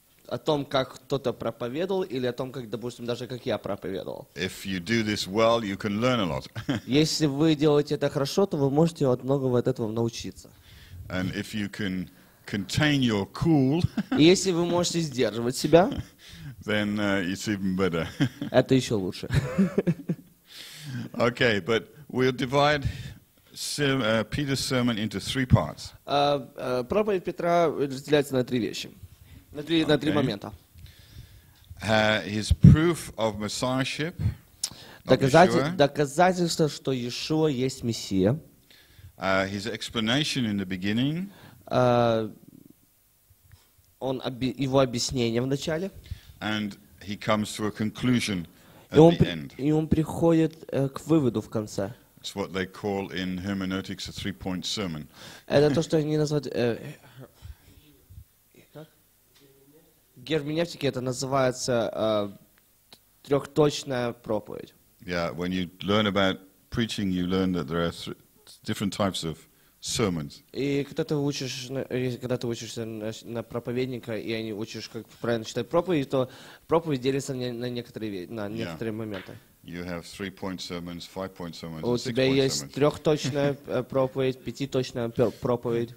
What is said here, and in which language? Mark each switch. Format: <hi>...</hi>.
<ru>о том, как кто-то проповедовал, или о том, как, допустим, даже как я проповедовал.</ru> <en>If you do this well, you can learn a lot.</en> <ru>Если вы делаете это хорошо, то вы можете от многого от этого научиться.</ru> <en>And if you can contain your cool,</en> <ru>если вы можете сдерживать себя,</ru> <en>then it's even better.</en> <ru>Это еще лучше.</ru> <en>Okay, but we'll divide Peter's sermon into three parts.</en> <ru>Проповедь Петра разделяется на три вещи. На три момента.</ru> <en>His proof of messiahship.</en> <ru>Доказательство, что Иешуа есть Мессия.</ru> <en>His explanation in the beginning.</en> <ru>Его объяснение в начале.</ru> <en>And he comes to a conclusion at the end.</en> <ru>И он приходит к выводу в конце.</ru> <en>It's what they call in hermeneutics a three-point sermon.</en> <ru>Это то, что они называют. Герменевтики это называется трехточная проповедь.</ru> <en>Yeah, when you learn about preaching, you learn that there are different types of sermons.</en> <ru>И когда ты учишься на проповедника, и они учишь, как правильно читать проповедь, то проповедь делится на некоторые моменты.</ru> <en>You have three-point sermons, five-point sermons, sermons. У</en> <ru>тебя есть трехточная проповедь, пятиточная проповедь.</ru>